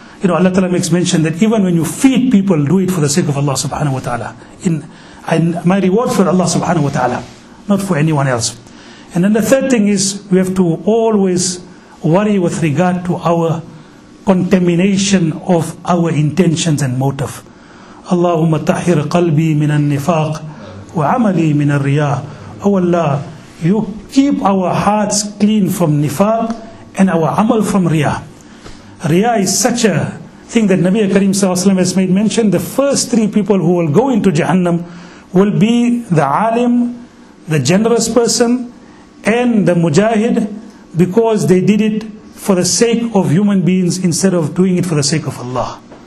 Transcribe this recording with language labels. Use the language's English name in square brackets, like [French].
[English] You know, Allah Ta'ala makes mention that even when you feed people, do it for the sake of Allah subhanahu wa ta'ala. And my reward for Allah subhanahu wa ta'ala, not for anyone else. And then the third thing is, we have to always worry with regard to our contamination of our intentions and motive. [Arabic] اللهم طهر قلبي من النفاق وعملي من الرياء. [English] Oh Allah, you keep our hearts clean from nifaq and our amal from riya. Riya is such a thing that Nabi Karim sallallahu alaihi wasallam has made mention. The first three people who will go into Jahannam will be the alim, the generous person, and the mujahid, because they did it for the sake of human beings instead of doing it for the sake of Allah.